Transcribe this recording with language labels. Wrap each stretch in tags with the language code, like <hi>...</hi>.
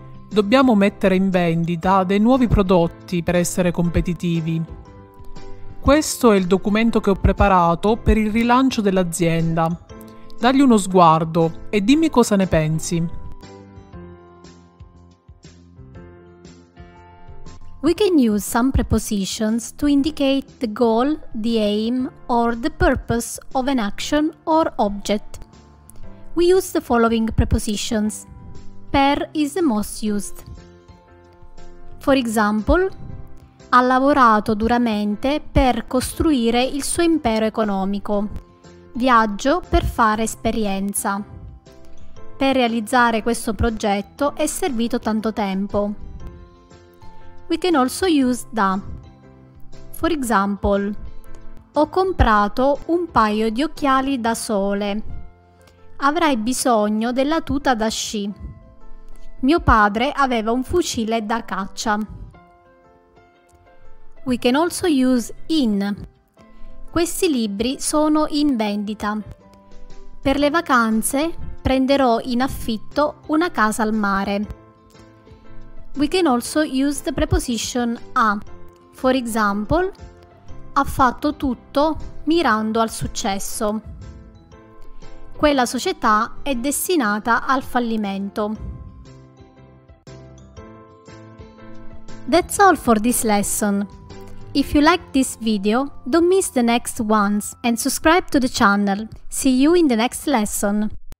<it>Dobbiamo mettere in vendita dei nuovi prodotti per essere competitivi. Questo è il documento che ho preparato per il rilancio dell'azienda. Dagli uno sguardo e dimmi cosa ne pensi.</it> <en>We can use some prepositions to indicate the goal, the aim, or the purpose of an action or object. We use the following prepositions. Per is the most used. For example,</en> <it>ha lavorato duramente per costruire il suo impero economico. Viaggio per fare esperienza. Per realizzare questo progetto è servito tanto tempo.</it> <en>We can also use da. For example,</en> <it>ho comprato un paio di occhiali da sole. Avrai bisogno della tuta da sci. Mio padre aveva un fucile da caccia.</it> <en>We can also use in.</en> <it>Questi libri sono in vendita. Per le vacanze prenderò in affitto una casa al mare.</it> <en>We can also use the preposition a. For example,</en> <it>ha fatto tutto mirando al successo. Quella società è destinata al fallimento.</it> <en>That's all for this lesson. If you like this video, don't miss the next ones and subscribe to the channel. See you in the next lesson.</en>